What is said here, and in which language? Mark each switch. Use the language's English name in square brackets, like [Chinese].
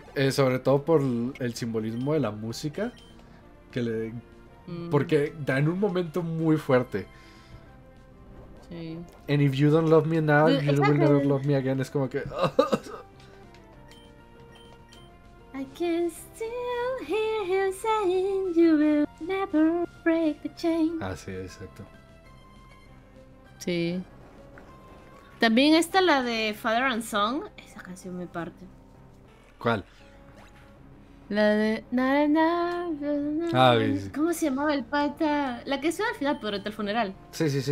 [Spanish] Sobre todo por el simbolismo de la música que le porque da en un momento muy fuerte. Sí. [English] And if you don't love me now, you will never love me again. [Spanish] Es como que. [English] I can still hear him saying you will never break the chain. [Spanish] Ah, sí, exacto. Sí. También está la de Father and Son. Esa canción me parte. ¿Cuál? La de... Sí. ¿Cómo se llamaba el pata? La que suena al final, pero el funeral. Sí.